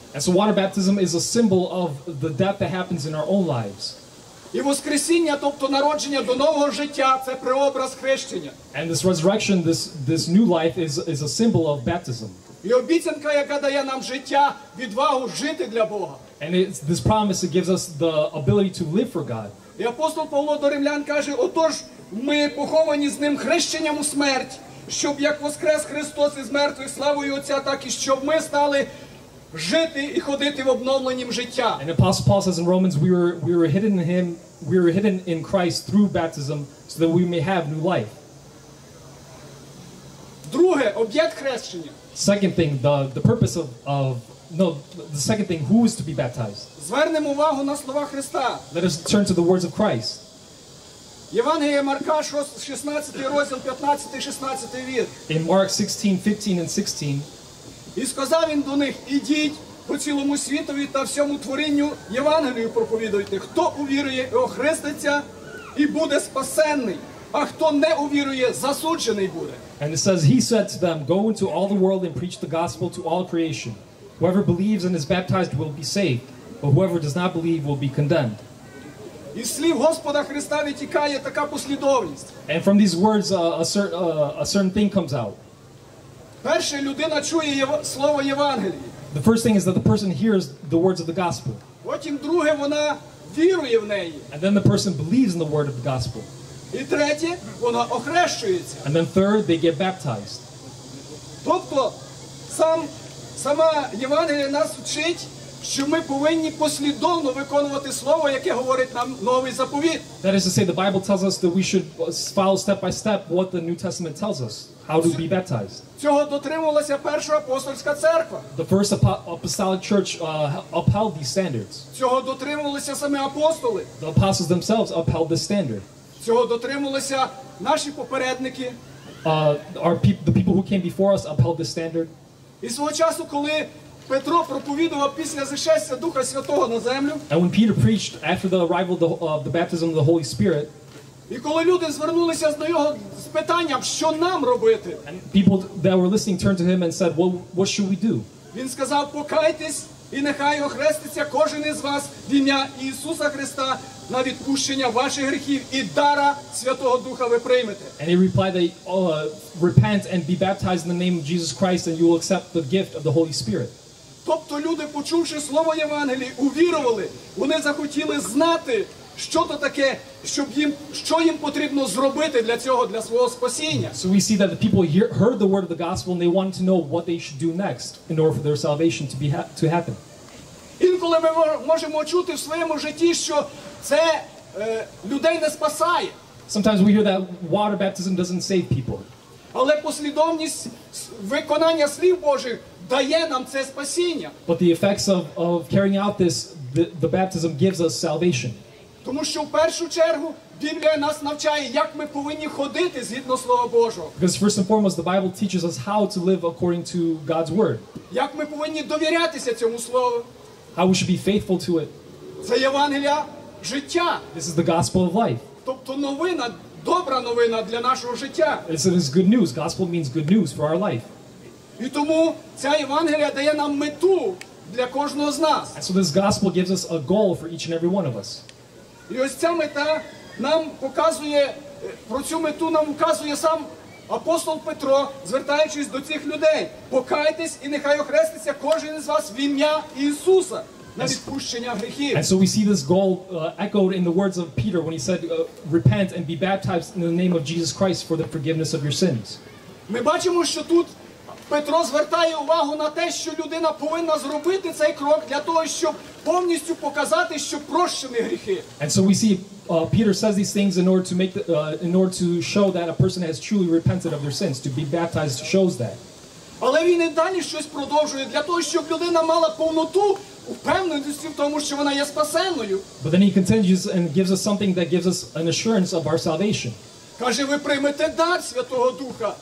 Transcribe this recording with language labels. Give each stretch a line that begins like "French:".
English: And so water baptism is a symbol of the death that happens in our own lives.
Ukrainian: І воскресіння, тобто народження до нового життя, це преобраз хрещення.
English: And this resurrection, this new life is a symbol of baptism.
Ukrainian: І обіцянка, яка дає нам життя, відвагу жити для Бога.
English: And it's this promise that gives us the ability to live for God.
Ukrainian: І апостол Павло до римлян каже: "Отож ми поховані з ним хрещенням у смерть, щоб як воскрес Христос із мертвих славою Отця, так і щоб ми стали жити і ходити в обновленім життя".
English: And apostle Paul says in Romans, we were hidden in him, we were hidden in Christ through baptism so that we may have new life.
Ukrainian: Друге, об'єкт хрещення.
English: Second thing, the purpose the second thing, who is to be baptized?
Ukrainian: Звернемо увагу на слова Христа.
English: Let us turn to the words of Christ.
Ukrainian: Євангеліє Марка 16 розділ 15-16 вірш.
English: In Mark 16, 15 and 16.
Ukrainian: І сказав він до них: "Ідіть по цілому світові та всьому творінню Євангелію проповідуйте. Хто увірує і охреститься, і буде спасенний, а хто не увірує, засуджений буде".
English: And it says, he said to them, "Go into all the world and preach the gospel to all creation. Whoever believes and is baptized will be saved, but whoever does not believe will be condemned".
Ukrainian: Із слів Господа Христа витікає така послідовність.
English: And from these words, a certain thing comes out.
Ukrainian: Перше, людина чує слово Євангелії.
English: The first thing is that the person hears the words of the gospel.
Ukrainian: Потім друге, вона вірує в неї.
English: And then the person believes in the word of the gospel.
Ukrainian: І третє, вона охрещується.
English: And then third, they get baptized.
Ukrainian: Тобто, сама Євангелія нас вчить, що ми повинні послідовно виконувати слово, яке говорить нам новий заповіт.
English: That is to say, the Bible tells us that we should follow step by step what the New Testament tells us, how to be baptized.
Ukrainian: Цього дотримувалася перша апостольська церква.
English: The first apostolic church upheld these standards.
Ukrainian: Цього дотримувалися самі апостоли.
English: The apostles themselves upheld this standard.
Ukrainian: Цього дотримувалися наші попередники.
English: The people who came before us upheld this standard.
Ukrainian: І свого часу, коли Петро проповідував після зашестя Духа Святого на землю.
English: And when Peter preached after the arrival of the baptism of the Holy Spirit.
Ukrainian: І коли люди звернулися до нього з питанням, що нам робити?
English: And people that were listening turned to him and said, what should we do?
Ukrainian: Він сказав: "Покайтесь і нехай охреститься кожен із вас в ім'я Ісуса Христа на відпущення ваших гріхів, і дара Святого Духа ви приймете".
English: And he replied that, repent and be baptized in the name of Jesus Christ and you will accept the gift of the Holy Spirit.
Ukrainian: Тобто люди, почувши слово Євангелії, увірували. Вони захотіли знати, що то таке, що їм потрібно зробити для цього, для свого спасіння.
English: So we see that the people heard the word of the gospel and they wanted to know what they should do next in order for their salvation to happen.
Ukrainian: Інколи ми можемо чути в своєму житті, що це людей не спасає.
English: Sometimes we hear that water baptism doesn't save people.
Ukrainian: Але послідовність виконання слів Божих дає нам це спасіння.
English: But the effects of carrying out this, the baptism gives us salvation.
Ukrainian: Тому що в першу чергу Біблія нас навчає, як ми повинні ходити згідно Слова Божого.
English: Because first and foremost, the Bible teaches us how to live according to God's Word.
Ukrainian: Як ми повинні довірятися цьому Слову.
English: How we should be faithful to it.
Ukrainian: Це Євангелія життя.
English: This is the gospel of life.
Ukrainian: Тобто новина, добра новина для нашого життя.
English: It's good news. Gospel means good news for our life.
Ukrainian: І тому ця Євангелія дає нам мету для кожного з нас.
English: And so this gospel gives us a goal for each and every one of us.
Ukrainian: І ось ця мета нам показує, про цю мету нам указує сам апостол Петро, звертаючись до цих людей: "Покайтесь і нехай охреститься кожен з вас в ім'я Ісуса на відпущення гріхів".
English: And so we see this goal echoed in the words of Peter when he said, "Repent and be baptized in the name of Jesus Christ for the forgiveness of your sins".
Ukrainian: Ми бачимо, що тут Петро звертає увагу на те, що людина повинна зробити цей крок для того, щоб повністю показати, що прощені гріхи.
English: And so we see Peter says these things in order to make the, in order to show that a person has truly repented of their sins. To be baptized shows that.
Ukrainian: Але він і далі щось продовжує для того, щоб людина мала повноту впевненості в тому, що вона є спасеною.
English: But then he continues and gives us something that gives us an assurance of our salvation.
Ukrainian: Каже, ви приймете дар Святого Духа.